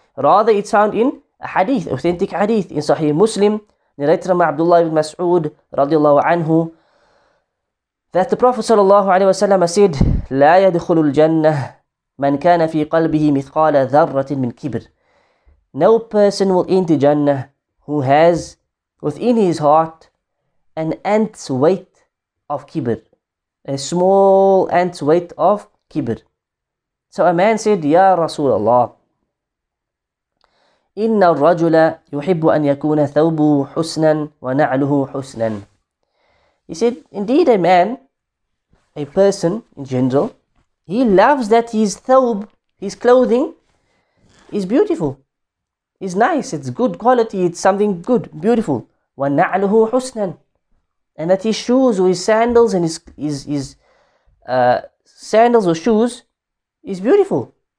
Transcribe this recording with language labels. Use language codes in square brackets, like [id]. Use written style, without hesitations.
[en] Rather, it's found in a hadith, authentic hadith in Sahih Muslim, narrated from Abdullah ibn Mas'ud radiallahu anhu, that the Prophet sallallahu alaihi wasallam said, [ar] لا يدخل الجنة من كان في قلبه مثقال ذرة من كبر. [en] No person will enter Jannah who has within his heart an ant's weight of kibr, a small ant's weight of kibr. So a man said, [ar] Ya Rasulullah, إن الرجل يحب أن يكون ثوبه حسنا ونعله حسنا. [en] He said, indeed a man, a person in general, he loves that his thawb, his clothing, is beautiful. It's nice, it's good quality, it's something good, beautiful. [ar] وَنَعْلُهُ حُسْنًا. [en] And that his shoes or his sandals and his sandals or shoes is beautiful.